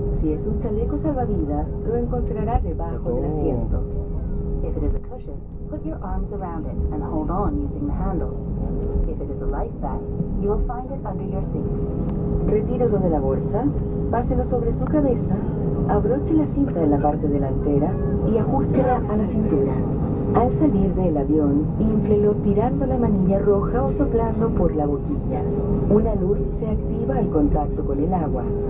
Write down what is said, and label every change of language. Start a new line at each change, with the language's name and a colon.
Spanish: Si es un chaleco salvavidas, lo encontrará debajo del asiento.
English: If it is a cushion, put your arms around it and hold on using the handles. If it is a life vest, you will find it under your seat.
Spanish: Retírelo de la bolsa, páselo sobre su cabeza, abroche la cinta en la parte delantera y ajústela a la cintura. Al salir del avión, inflelo tirando la manilla roja o soplando por la boquilla. Una luz se activa al contacto con el agua.